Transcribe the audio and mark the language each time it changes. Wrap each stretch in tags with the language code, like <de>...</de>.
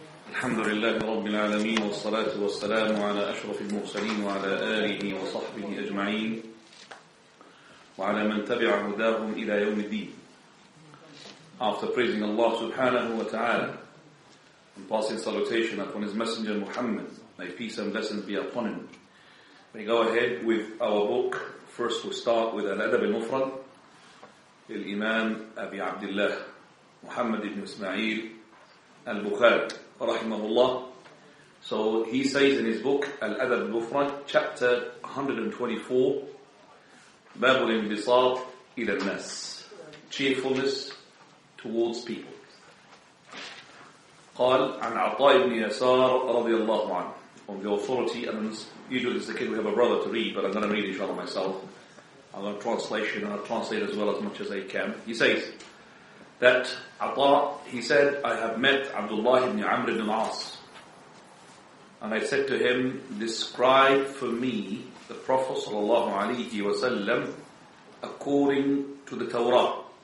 <ar>الحمد لله رب العالمين، والصلاة والسلام على أشرف المرسلين وعلى آله وصحبه أجمعين وعلى من تبع هداهم إلى يوم الدين.</ar> <en>After praising Allah subhanahu wa ta'ala and passing salutation upon His Messenger Muhammad, may peace and blessings be upon him, we go ahead with our book. First we start with Al-Adab al-Mufrad, Al-Imam Abi Abdullah Muhammad ibn Ismail al-Bukhari</en> <ar>رحمه الله.</ar> <en>So he says in his book Al-Adab al-Mufrad, chapter 124,</en> <ar>باب الانبساط إلى الناس,</ar> <en>cheerfulness towards people.</en> <ar>قال عن عطاء بن يسار رضي الله عنه.</ar> <en>On the authority, usually it's the case we have a brother to read, but I'm going to read inshallah myself. I'm going to translation and I'll translate as well as much as I can. He says that Ata, he said, I have met Abdullah ibn Amr ibn As. And I said to him, describe for me the Prophet sallallahu alayhi wa sallam according to the Torah.</en>